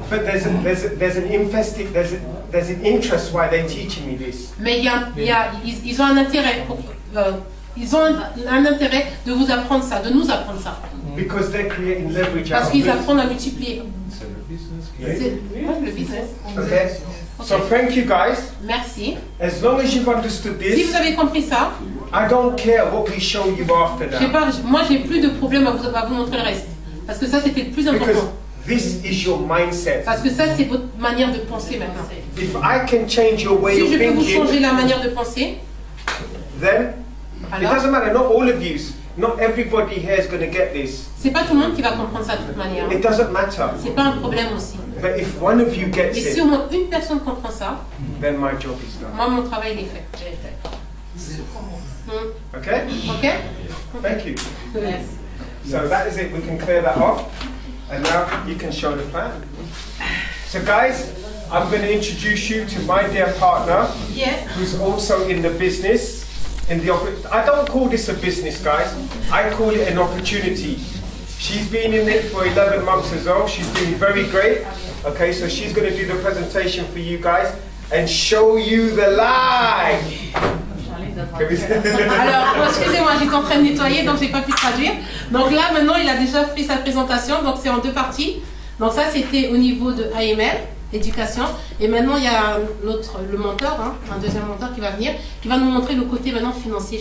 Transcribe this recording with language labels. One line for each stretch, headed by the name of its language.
English: But there's an interest why they're teaching me this.
French: Mais ils ont un intérêt pour. Ils ont un intérêt de vous apprendre ça, de nous apprendre ça.
English: Because they're creating leverage.
French: Parce qu'ils apprennent à multiplier. C'est le business. C'est le business.
English: Okay. Okay. So thank you guys.
French: Merci.
English: As long as you've understood this.
French: Si vous avez compris ça.
English: I don't care what we show you after that.
French: J'ai plus de problème à vous montrer le reste. Parce que ça c'était le plus important.
English: Because this is your mindset.
French: Parce que ça c'est votre manière de penser maintenant.
English: If I can change your way
French: si
English: of thinking.
French: Si je peux vous changer la manière de penser.
English: Then alors, it doesn't matter, not all of you. Not everybody here is going to get this.
French: C'est pas tout le monde qui va comprendre ça de toute manière.
English: It doesn't matter.
French: C'est pas un problème aussi.
English: But if one of you gets
French: Et si au moins une personne comprend ça,
English: then my job is done.
French: Moi, mon travail est fait.
English: Okay? Okay? Thank you. Yes. So that is it. We can clear that off. And now you can show the plan. So guys, I'm going to introduce you to my dear partner, who's also in the business. I don't call this a business, guys. I call it an opportunity. She's been in it for 11 months as well. She's been very great. Okay, so she's going to do the presentation for you guys and show you the lie.
French: Alors, excusez-moi, j'étais en train de nettoyer, donc j'ai pas pu traduire. Donc là, maintenant, il a déjà fait sa présentation, donc c'est en deux parties. Donc ça, c'était au niveau de AML. Éducation. Et maintenant, il y a le mentor, hein, un deuxième mentor qui va venir, qui va nous montrer le côté maintenant financier.